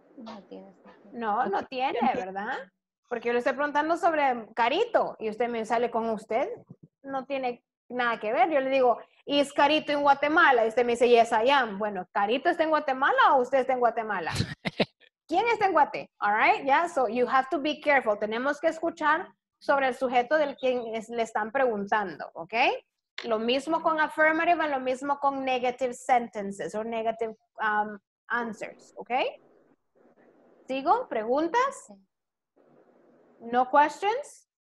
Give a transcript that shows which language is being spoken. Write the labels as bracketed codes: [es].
[es] No tiene sentido. No, no tiene, ¿verdad? Porque yo le estoy preguntando sobre Carito y usted me sale con usted. No tiene nada que ver. Yo le digo, ¿is Carito en Guatemala? Y usted me dice, [en] yes, I am. [es] Bueno, ¿Carito está en Guatemala o usted está en Guatemala? ¿Quién está en Guate? [en] All right, yeah, so you have to be careful. [es] Tenemos que escuchar sobre el sujeto del quien es, le están preguntando, ¿ok? Lo mismo con affirmative y lo mismo con negative sentences o negative answers, ¿ok? ¿Sigo? ¿Preguntas? [en] No questions?